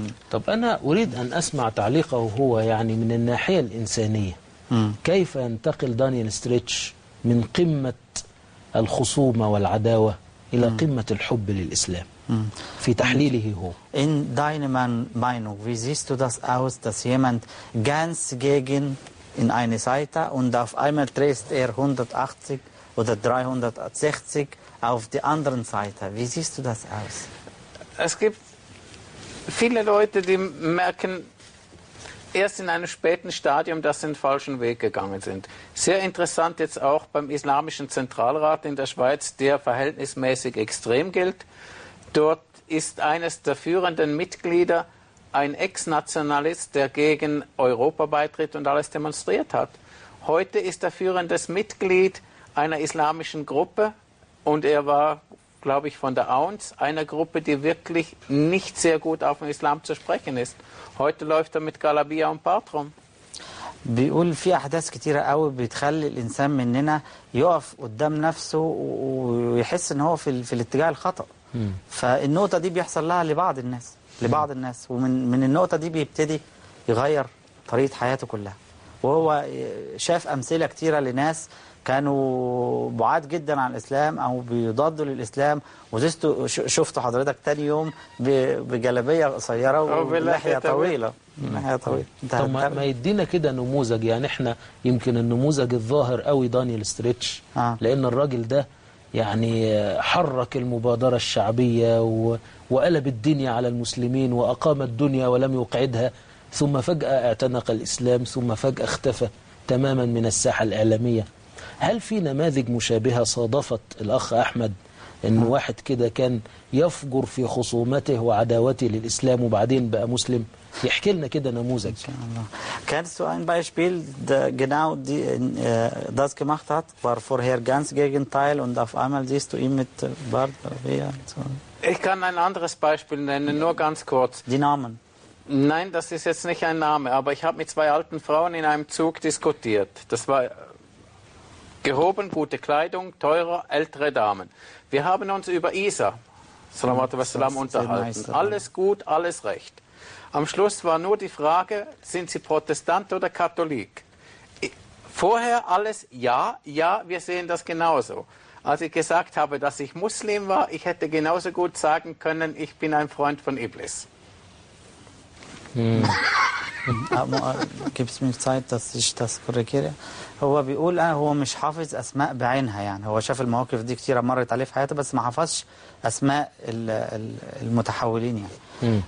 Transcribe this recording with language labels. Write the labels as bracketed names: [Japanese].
[Arabic] طب أنا أريد أن أسمع تعليقه هو يعني من الناحية الإنسانية كيف ينتقل دانيال ستريتش من قمة الخصومة والعداوة إلى قمة الحب للإسلام في تحليله هو. [German] In deiner Meinung, wie siehst du das aus, dass jemand ganz gegen in eine Seite und auf einmal dreht er 180 oder 360 auf die anderen Seite? Wie siehst du das aus? Es gibt viele Leute, die merken erst in einem späten Stadium, dass sie einen falschen Weg gegangen sind. Sehr interessant jetzt auch beim Islamischen Zentralrat in der Schweiz, der verhältnismäßig extrem gilt. Dort ist eines der führenden Mitglieder ein Ex-Nationalist, der gegen Europa beitritt und alles demonstriert hat. Heute ist er führendes Mitglied einer islamischen Gruppe und er war, glaube ich, von der AUNS, einer Gruppe, die wirklich nicht sehr gut auf den Islam zu sprechen ist. Heute läuft er mit Galabia und Bart rum. [Arabic] بيقول في احداث كتيره قوي بتخلي الانسان مننا يقف قدام نفسه ويحس ان هو في الاتجاه الخطا. فالنقطه دي بيحصل لها لبعض الناس ومن النقطه دي بيبتدي يغير طريقه حياته كلها. وهو شاف امثله كتيره لناس كانوا بعاد جدا عن الإسلام أو بيضادوا للإسلام وزيستو شفتوا حضرتك تاني يوم بجلبية قصيرة ولحية طويلة. طب ما يدينا كده نموذج، يعني احنا يمكن النموذج الظاهر قوي دانيال ستريتش لأن الراجل ده يعني حرك المبادرة الشعبية وقلب الدنيا على المسلمين وأقام الدنيا ولم يقعدها، ثم فجأة اعتنق الإسلام ثم فجأة اختفى تماما من الساحة الإعلامية. هل في نماذج مشابهة صادفت الأخ أحمد أن واحد كده كان يفجر في خصومته وعداوته للإسلام وبعدين بقى مسلم؟ يحكي لنا كده نموذج. كان [German] so ein Beispiel, genau das gemacht hat, war vorher ganz gegenteil und auf einmal siehst du ihn mit Bart. Ich kann ein anderes Beispiel nennen, nur ganz kurz. Die Namen. Nein, das ist jetzt nicht ein Name, aber ich habe mit zwei alten Frauen in einem Zug diskutiert. Das war gehoben, gute Kleidung, teurer, ältere Damen. Wir haben uns über Isa, [Arabic] salamatu wassalam, [German] unterhalten. Alles gut, alles recht. Am Schluss war nur die Frage, sind Sie Protestant oder Katholik? Vorher alles ja, wir sehen das genauso. Als ich gesagt habe, dass ich Muslim war, ich hätte genauso gut sagen können, ich bin ein Freund von Iblis. Gibt es mir Zeit, dass ich das korrigiere? [Arabic] هو بيقول أنا هو مش حافظ أسماء بعينها، يعني هو شاف المواقف دي كتيرة مرت عليه في حياته بس ما حافظش أسماء المتحولين يعني.